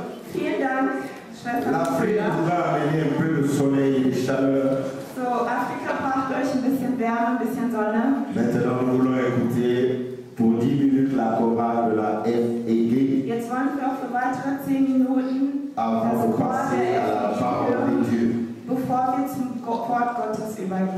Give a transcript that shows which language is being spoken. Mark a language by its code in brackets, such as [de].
[fr] pourra amener un peu de soleil et de chaleur. [de] So, Afrika braucht euch ein bisschen Wärme, ein bisschen Sonne. [fr] Maintenant, nous voulons écouter pour 10 minutes la chorale de la FEG. [de] Jetzt wollen wir auch für weitere 10 Minuten [fr] avant de passer à la parole de Dieu. [de] Bevor wir zum Wort Gottes übergehen.